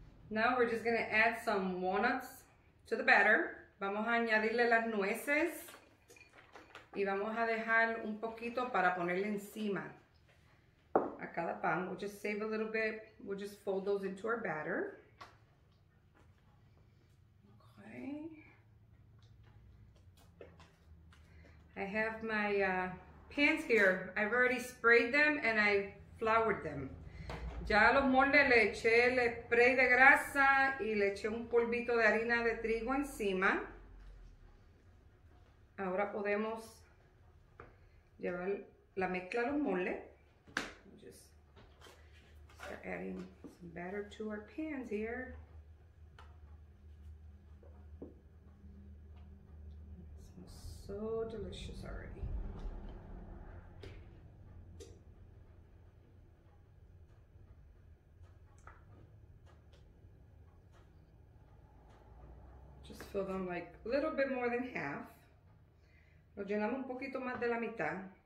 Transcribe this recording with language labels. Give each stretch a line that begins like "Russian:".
English: Now we're just gonna add some walnuts to the batter.
Spanish: Vamos a añadirle las nueces y vamos a dejar un poquito para ponerle encima a cada pan.
English: We'll just save a little bit. We'll just fold those into our batter. Okay. I have my pans here. I've already sprayed them and I floured them.
Spanish: Ya a los moldes le eché el spray de grasa y le eché un polvito de harina de trigo encima. Ahora podemos llevar la mezcla a los moldes.
English: Just start adding some batter to our pans here. It smells so delicious already. Fill them like a little bit more than half.
Spanish: Lo llenamos un poquito más de la mitad.